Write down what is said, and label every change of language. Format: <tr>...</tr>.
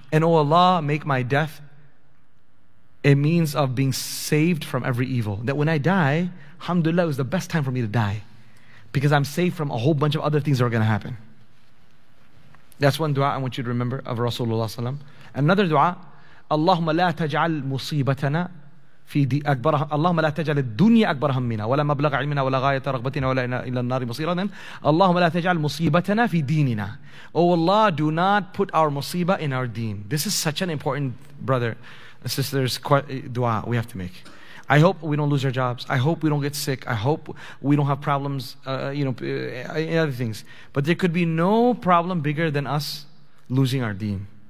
<en>And oh Allah, make my death a means of being saved from every evil. That when I die, alhamdulillah, is the best time for me to die. Because I'm saved from a whole bunch of other things that are going to happen. That's one dua I want you to remember of Rasulullah ﷺ. Another dua,</en> <ar>اللهم لا تجعل مصيبتنا في دي أكبرها. اللهم لا تجعل الدنيا أكبر همنا ولا مبلغ علمنا ولا غاية رغبتنا ولا إلى النار مصيرا. اللهم لا تجعل مصيبتنا في ديننا.</ar> <en>Oh Allah, do not put our musibah in our deen. This is such an important brother, sisters, dua we have to make. I hope we don't lose our jobs. I hope we don't get sick. I hope we don't have problems, other things. But there could be no problem bigger than us losing our deen.</en>